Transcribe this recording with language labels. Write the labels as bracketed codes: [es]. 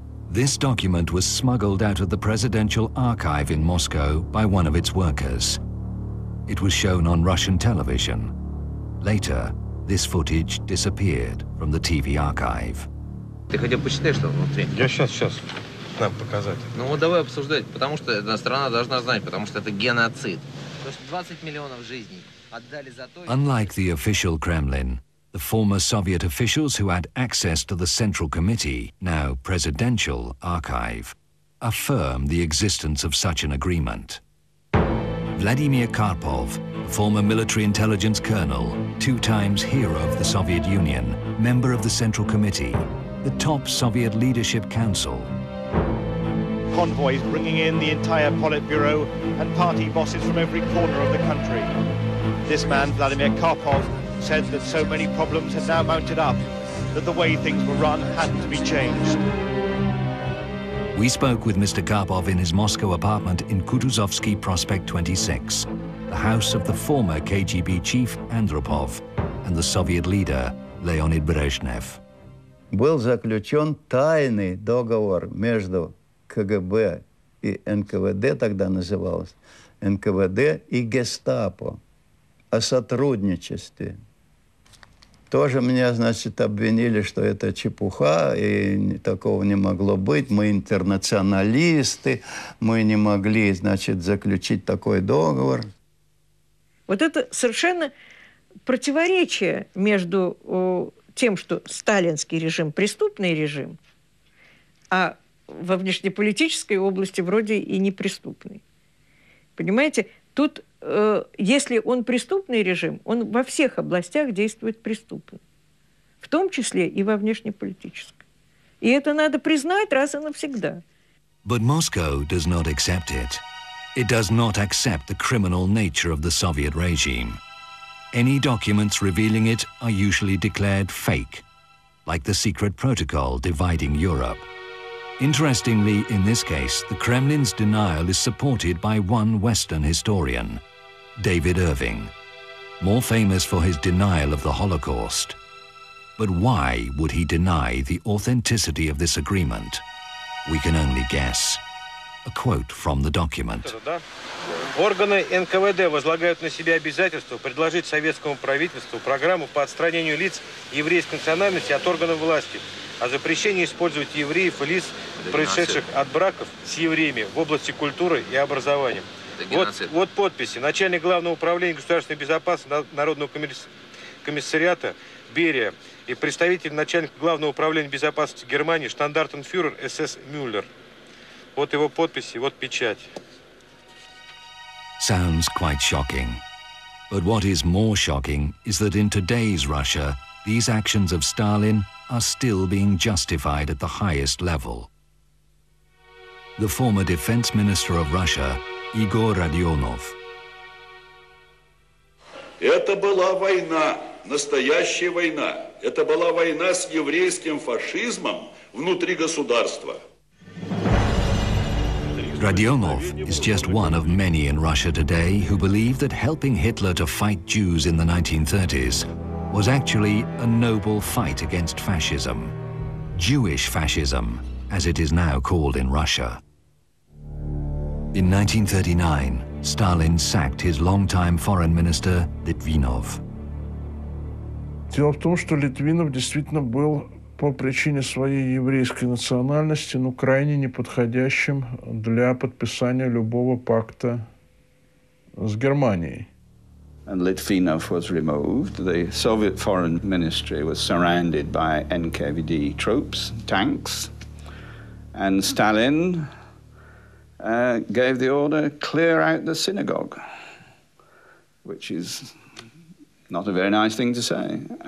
[en] This document was smuggled out of the presidential archive in Moscow by one of its workers. It was shown on Russian television. Later, this footage disappeared from the TV archive. [ru] Ты хотя бы почитай, что внутри. Я сейчас нам показать. Ну вот давай обсуждать, потому что одна страна должна знать, потому что это геноцид. То есть 20 миллионов жизней отдали за то. [en] Unlike the official Kremlin, the former Soviet officials who had access to the Central Committee, now presidential archive, affirm the existence of such an agreement. Vladimir Karpov, former military intelligence colonel, two times hero of the Soviet Union, member of the Central Committee, the top Soviet leadership council. Convoys bringing in the entire Politburo and party bosses from every corner of the country. This man, Vladimir Karpov, said that so many problems had now mounted up that the way things were run had to be changed. We spoke with Mr. Karpov in his Moscow apartment in Kutuzovsky Prospect 26, the house of the former KGB chief Andropov and the Soviet leader Leonid Brezhnev. [ru] Был заключен тайный договор между КГБ и НКВД, тогда называлось НКВД и Гестапо, о сотрудничестве. Тоже меня, значит, обвинили, что это чепуха, и такого не могло быть. Мы интернационалисты, мы не могли, значит, заключить такой договор. Вот это совершенно противоречие между тем, что сталинский режим – преступный режим, а во внешнеполитической области вроде и неприступный. Понимаете, тут... Если он преступный режим, он во всех областях действует преступно, в том числе и во внешнеполитической. И это надо признать раз и навсегда. [en] But Moscow does not accept it. It does not accept the criminal nature of the Soviet regime. Any documents revealing it are usually declared fake, like the secret protocol dividing Europe. Interestingly, in this case, the Kremlin's denial is supported by one Western historian, David Irving, more famous for his denial of the Holocaust. But why would he deny the authenticity of this agreement? We can only guess. A quote from the document. [ru] Органы НКВД возлагают на себя обязательство предложить советскому правительству программу по отстранению лиц еврейской национальности от органов власти, о запрещении использовать евреев и лиц, происшедших от браков с евреями в области культуры и образования. Вот подписи. Начальник Главного управления государственной безопасности Народного комиссариата Берия и представитель начальника Главного управления безопасности Германии штандартенфюрер СС Мюллер. Вот его подписи, вот печать. [en] Sounds quite shocking. But what is more shocking is that in today's Russia, these actions of Stalin are still being justified at the highest level. The former defense minister of Russia, Igor Radionov. [ru] Это была война, настоящая война. Это была война с еврейским фашизмом внутри государства. [en] Radionov is just one of many in Russia today who believe that helping Hitler to fight Jews in the 1930s was actually a noble fight against fascism. Jewish fascism, as it is now called in Russia. In 1939, Stalin sacked his longtime foreign minister Litvinov. [ru] Дело в том, что Литвинов действительно был по причине своей еврейской национальности, ну, крайне неподходящим для подписания любого пакта с Германией. [en] And Litvinov was removed. The Soviet foreign ministry was surrounded by NKVD troops, tanks, and Stalin gave the order, clear out the synagogue, which is not a very nice thing to say.